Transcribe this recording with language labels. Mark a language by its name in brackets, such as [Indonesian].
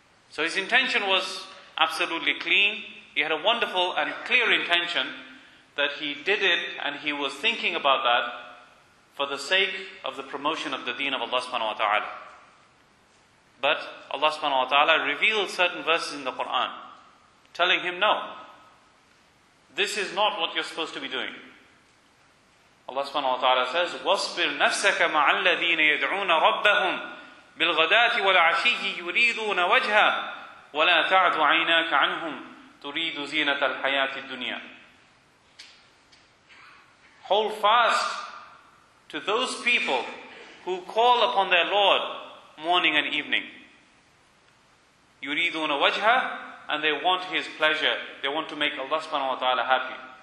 [English] So his intention was absolutely clean. He had a wonderful and clear intention that he did it, and he was thinking about that for the sake of the promotion of the deen of Allah subhanahu wa ta'ala. But Allah subhanahu wa ta'ala revealed certain verses in the Quran, telling him, no, this is not what you're supposed to be doing. Allah subhanahu wa ta'ala says, [Arabic] وَاصْبِرْ نَفْسَكَ مَعَ الَّذِينَ يَدْعُونَ رَبَّهُمْ بِالْغَدَاةِ وَالْعَشِيِّ يُرِيدُونَ وَجْهَا وَلَا تَعْدُ عَيْنَاكَ عَنْهُمْ تُرِيدُ زِينَةَ الْحَيَاةِ الدُّنْيَا. [English] Hold fast to those people who call upon their Lord morning and evening. [Arabic] يُرِيدُونَ وَجْهَا, [English] and they want His pleasure. They want to make Allah subhanahu wa ta'ala happy.